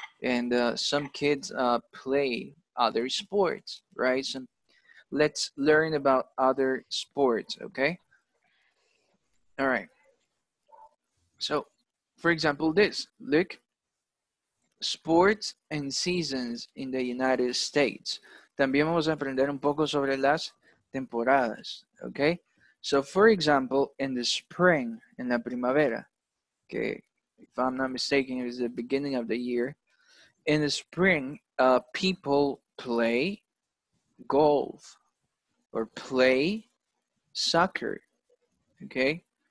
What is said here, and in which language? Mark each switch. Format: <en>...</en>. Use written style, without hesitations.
<en>And some kids play other sports, right? So let's learn about other sports, okay? All right. So, for example, this, look, sports and seasons in the United States.</en> <es>También vamos a aprender un poco sobre las temporadas, okay?</es> <en>So, for example, in the spring, in</en> <es>la primavera,</es> <en>okay, if I'm not mistaken, it is the beginning of the year. In the spring, people play golf or play soccer, okay?</en>